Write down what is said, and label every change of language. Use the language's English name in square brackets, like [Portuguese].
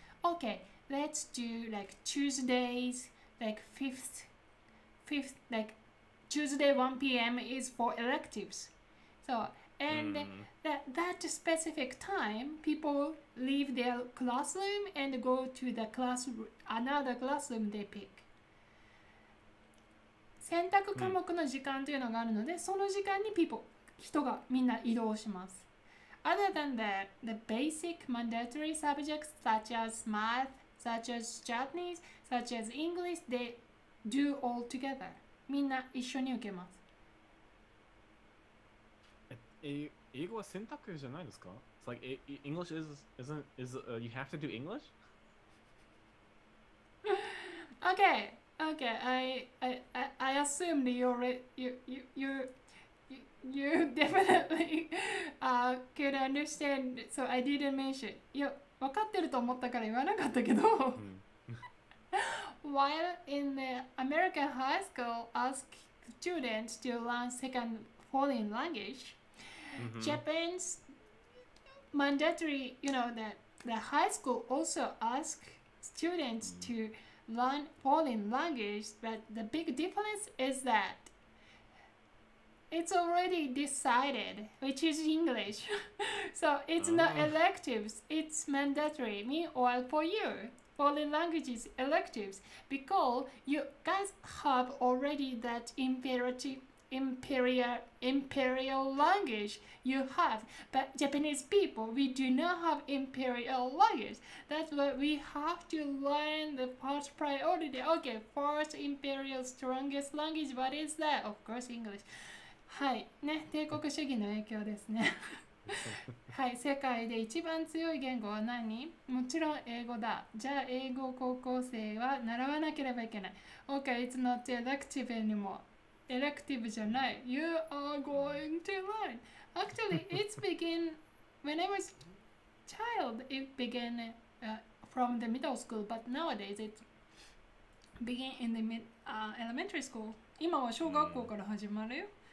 [English] Okay, let's do like Tuesdays, like fifth, like Tuesday 1 p.m. is for electives. So and that specific time, people leave their classroom and go to the class another classroom they pick. [Japanese] 選択科目の時間というのがあるので、その時間に人がみんな移動します。 [English] Other than that, the basic mandatory subjects such as math, such as Japanese, such as English, they do all together. [Japanese] みんな一緒に受けます。英語は選択じゃないですか? [English] It's like, English isn't, you have to do English? Okay, I assumed you definitely could understand, so I didn't mention. [Japanese] いや、分かってると思ったから言わなかったけど。 [English] While in the American high school, ask students to learn second foreign language, Japan's mandatory, you know, that the high school also ask students to learn foreign language, but the big difference is that it's already decided, which is English. So it's not electives, it's mandatory. Me or for you, foreign language is electives, because you guys have already that imperial language you have, but Japanese people, we do not have imperial language. That's why we have to learn the first priority. Okay, first imperial strongest language, what is that? Of course, English. [Japanese] はい、ね、帝国主義の影響ですね。はい、世界で一番強い言語は何？もちろん英語だ。じゃあ英語高校生は習わなければいけない。 [English] Okay, it's not elective anymore. Elective [Japanese] じゃない。 [English] You are going to learn. Actually, it's begin when I was child. It began from the middle school, but nowadays it begin in the elementary school. [Japanese] 今は小学校から始まるよ。